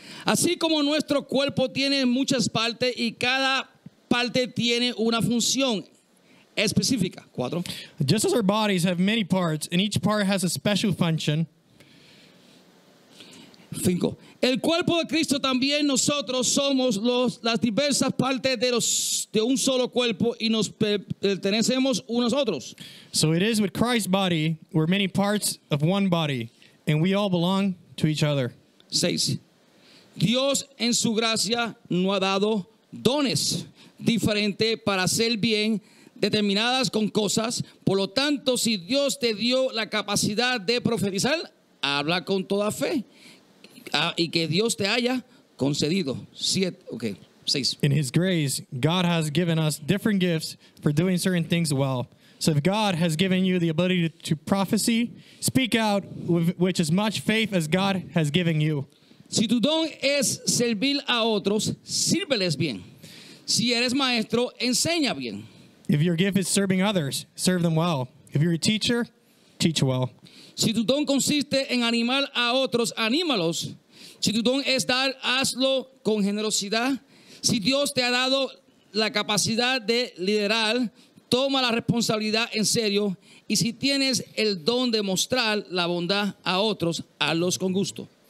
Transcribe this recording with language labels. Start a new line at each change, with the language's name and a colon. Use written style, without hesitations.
Spanish: Así como nuestro cuerpo tiene muchas partes y cada parte tiene una función específica. Cuatro.
English: Just as our bodies have many parts and each part has a special function.
Spanish: Cinco. El cuerpo de Cristo también nosotros somos las diversas partes de un solo cuerpo y nos pertenecemos unos otros.
English: So it is with Christ's body, we're many parts of one body and we all belong to each other.
Spanish: Seis. Dios en su gracia no ha dado dones diferentes para hacer bien determinadas con cosas. Por lo tanto, si Dios te dio la capacidad de profetizar, habla con toda fe y que Dios te haya concedido. Siete, okay, seis.
English: In his grace, God has given us different gifts for doing certain things well. So if God has given you the ability to prophesy, speak out with as much faith as God has given you.
Spanish: Si tu don es servir a otros, sírveles bien. Si eres maestro, enseña bien.
English: If your gift is serving others, serve them well. If you're a teacher, teach well.
Spanish: Si tu don consiste en animar a otros, anímalos. Si tu don es dar, hazlo con generosidad. Si Dios te ha dado la capacidad de liderar, toma la responsabilidad en serio. Y si tienes el don de mostrar la bondad a otros, hazlos con gusto.